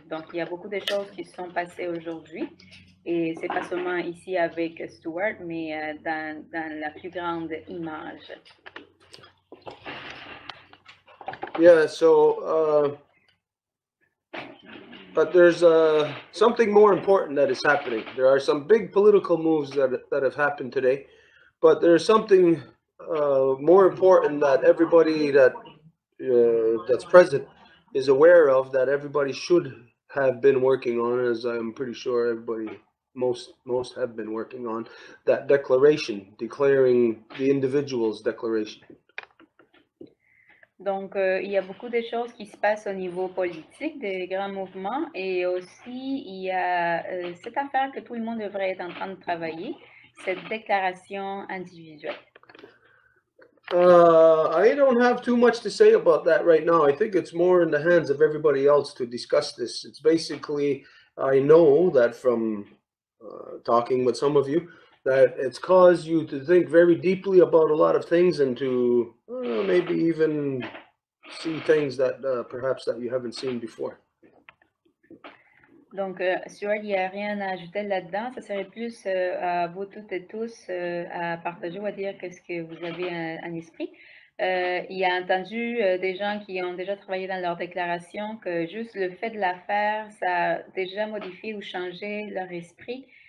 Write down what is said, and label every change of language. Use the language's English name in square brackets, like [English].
[French] Donc il y a beaucoup de choses qui sont passées aujourd'hui, et c'est pas seulement ici avec Stuart, mais dans la plus grande image. [English] Yeah, so but there's something more important that is happening. There are some big political moves that have happened today, but there's something more important that everybody that's present is aware of, that everybody should have been working on, as I'm pretty sure everybody, most have been working on, that declaration, declaring the individual's declaration. [French] Donc, il y a beaucoup de choses qui se passent au niveau politique, des grands mouvements, et aussi, il y a cette affaire que tout le monde devrait être en train de travailler, cette déclaration individuelle. [English] I don't have too much to say about that right now. I think it's more in the hands of everybody else to discuss this. It's basically, I know that from talking with some of you, that it's caused you to think very deeply about a lot of things, and to maybe even see things that perhaps that you haven't seen before. [French] Donc, Stuart, il n'y a rien à ajouter là-dedans. Ça serait plus à vous toutes et tous à partager ou à dire qu'est-ce que vous avez en esprit. Il y a entendu des gens qui ont déjà travaillé dans leur déclaration que juste le fait de la faire, ça a déjà modifié ou changé leur esprit.